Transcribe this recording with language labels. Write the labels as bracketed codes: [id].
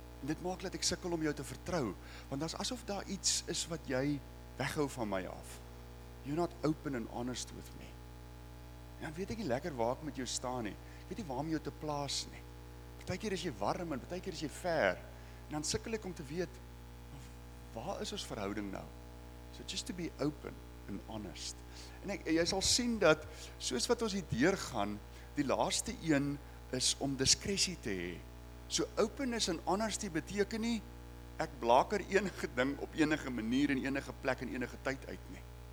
[af] En dit maak dat ek sukkel om jou te vertrou, want daar's asof daar iets is wat jy weghou van my af. [en] You're not open and honest with me. [af] En dan weet ek nie lekker waar ek met jou staan nie. Ek weet nie waar om jou te plaas nie. Partykeer is jy warm en partykeer is jy ver. En dan sukkel ek om te weet waar is ons verhouding nou? [en] So just to be open and honest. [af] En jy sal sien dat, soos wat ons hier deurgaan, die laaste een is om diskresie te hê. So [en] openness and honesty [af] beteken nie, ek blaker enige ding op enige manier en enige plek en enige tyd uit nie.